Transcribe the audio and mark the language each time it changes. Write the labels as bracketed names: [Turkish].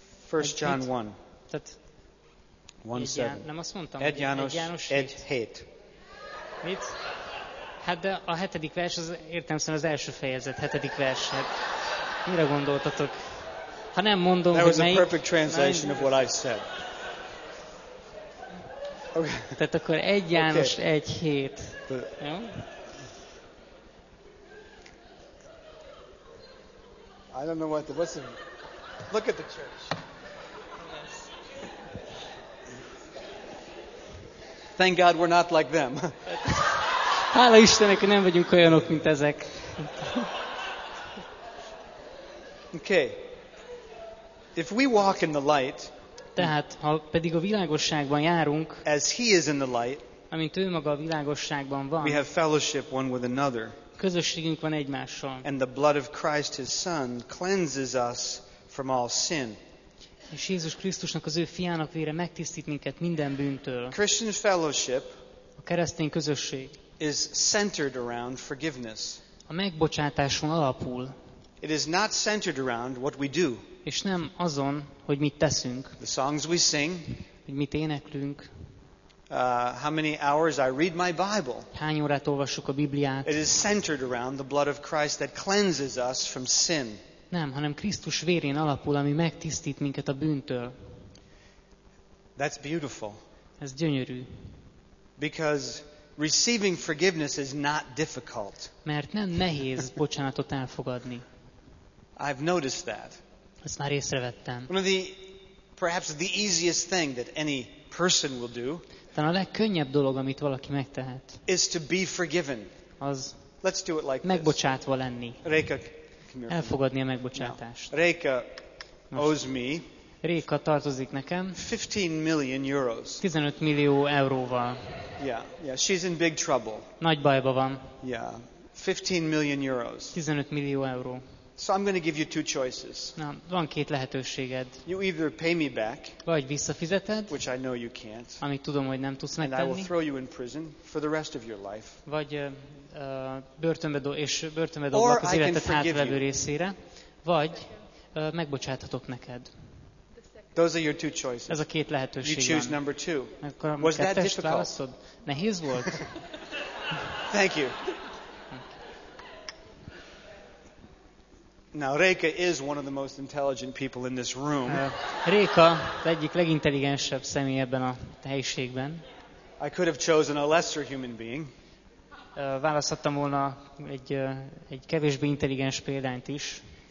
[English] 1 John 1. [Hungarian] Tehát 1:7. Nem azt mondtam. 1 János 1:7. Mit? Hát de a 7. vers az értelemszerűen az első fejezet, 7. vers. Hát, mire gondoltatok? Ha nem mondom, [English] that was [Hungarian] hogy [English] a perfect translation of what I said. [Hungarian] Okay. Tehát akkor 1 János 1:7. Jó? [English] I don't know what the what's the look at the church. Thank God we're not like them. [Hungarian] Hála Istennek, nem vagyunk olyanok, mint ezek. [English] Okay. If we walk in the light, [Hungarian] tehát ha pedig a világosságban járunk, [English] as he is in the light, [Hungarian] amint ő maga a világosságban van, [English] we have fellowship one with another, [Hungarian] közösségünk van egymással, [English] and the blood of Christ his son cleanses us from all sin. [Hungarian] És Jézus Krisztusnak, az ő fiának vére megtisztít minket minden bűntől. [English] Christian fellowship, [Hungarian] a keresztény közösség, [English] is centered around forgiveness. [Hungarian] A megbocsátáson alapul. [English] It is not centered around what we do. [Hungarian] És nem azon, hogy mit teszünk. [English] The songs we sing, [Hungarian] hogy mit éneklünk. [English] How many hours I read my Bible. [Hungarian] Hány órát olvassuk a Bibliát. [English] It is centered around the blood of Christ that cleanses us from sin. [Hungarian] Nem, hanem Krisztus vérén alapul, ami megtisztít minket a bűntől. [English] That's beautiful. [Hungarian] Ez gyönyörű. [English] Because receiving forgiveness is not difficult. [Hungarian] Mert nem nehéz bocsánatot elfogadni. [English] I've noticed that. [Hungarian] Ezt már észrevettem. [English] One of the perhaps the easiest thing that any person will do. [Hungarian] Talán a legkönnyebb dolog, amit valaki megtehet. [English] Is to be forgiven. [Hungarian] Az. [English] Let's do it like this. [Hungarian] Megbocsátva lenni. Réka, elfogadni a megbocsátást. [English] Réka owes me. [Hungarian] Réka tartozik nekem. [English] 15 million euros. [Hungarian] 15 millió euróval. [English] Yeah, she's in big trouble. [Hungarian] Nagy bajba van. [English] Yeah. 15 million euros. [Hungarian] 15 millió euró. [English] So I'm going to give you two choices. [Hungarian] Na, van két lehetőséged. [English] You either pay me back, [Hungarian] vagy visszafizeted, [English] which I know you can't, [Hungarian] amit tudom, hogy nem tudsz megtenni, [English] and I will throw you in prison for the rest of your life, [Hungarian] vagy börtönbe dobok az életed hátralevő részére, vagy megbocsáthatok neked. [English] Those are your two choices. [Hungarian] Ez a két lehetőség. [English] You choose number two. [Hungarian] Akkor [English] was that difficult? [Hungarian] Nehéz volt? [English] Thank you. Now Réka is one of the most intelligent people in this room. [Hungarian] Réka egyik legintelligensebb személy ebben a helyiségben. [English] I could have chosen a lesser human being. [Hungarian] Választottam volna egy kevésbé intelligens példányt is.